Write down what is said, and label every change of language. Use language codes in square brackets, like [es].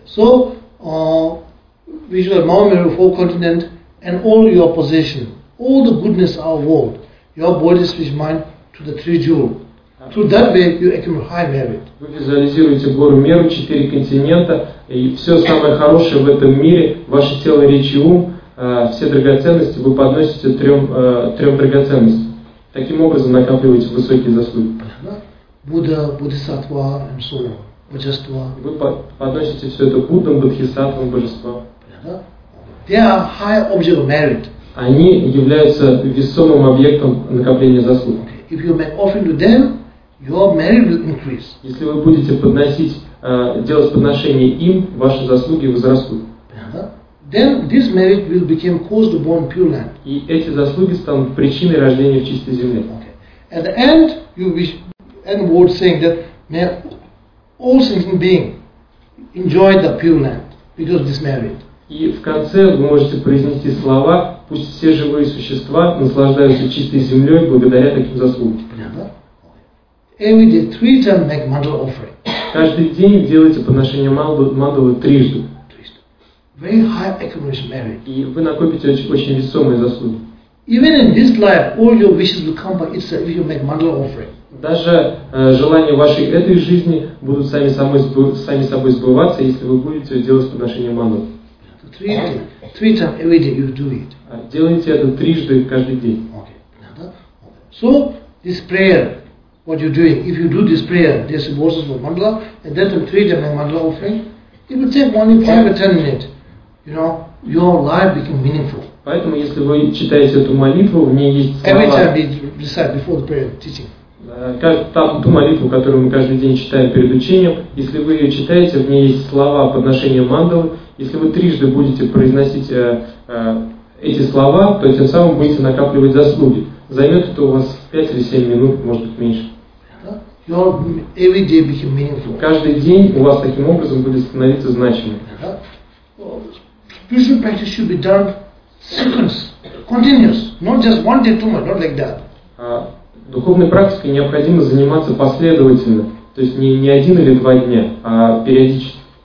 [en] So visual Mount Meru, four continent, and all your possession, all the goodness of world, your body, speech, mind, to the three jewel. Through that way, you accumulate high merit. [ru] Вы визуализируете гору Меру, четыре континента, и все самое хорошее в этом мире, ваше тело, речь и ум, все драгоценности вы подносите трем драгоценностям. Таким образом накапливаете высокие заслуги. Будда, Буддхисаттва, [en] and so on. [ru] Божества. Вы подносите все это Буддам, Бодхисаттвам, Божествам. [en] They are high object of merit. [ru] Они являются весомым объектом накопления заслуг. [en] If you make offering to them, your merit will increase. [ru] Если вы будете подносить, делать подношение им, ваши заслуги возрастут. [en] Then this merit will become cause to born pure land. [ru] И эти заслуги станут причиной рождения в чистой земле. [en] At the end, you wish, end word saying that may all sentient beings enjoy the pure land because of this merit. [ru] И в конце вы можете произнести слова, пусть все живые существа наслаждаются чистой землей благодаря таким заслугам. [en] Every day, three times make mandala offering. [ru] Каждый день делайте подношение мандалы трижды. [en] Very high accumulation merit. [ru] И вы накопите очень весомые заслуги. [en] Even in this life, all your wishes will come by itself if you make mandala offering. [ru] Даже желания вашей этой жизни будут сами собой сбываться, если вы будете делать подношение мандалы. [en] Three times every day you do it. [ru] Делайте это трижды каждый день. [en] Okay. So this prayer, what you're doing, if you do this prayer, this verses for mandala, and then three times make mandala offering, it will take only 5 or 10 minutes. You know, your life becomes meaningful. [ru] Поэтому, если вы читаете эту молитву, в ней есть слова. [en] Every time you recite before the prayer teaching. [ru] Ту молитву, которую мы каждый день читаем перед учением, если вы ее читаете, в ней есть слова подношения мандалы, если вы трижды будете произносить эти слова, то тем самым будете накапливать заслуги. Займет это у вас 5 или 7 минут, может быть меньше. [en] Your every day became meaningful. [ru] Каждый день у вас таким образом будет становиться значимым. [en] Spiritual practice should be done sequence, continuous, not just one day too much, not like that. [ru] Духовной практикой необходимо заниматься последовательно, то есть не один или два дня, а периодически.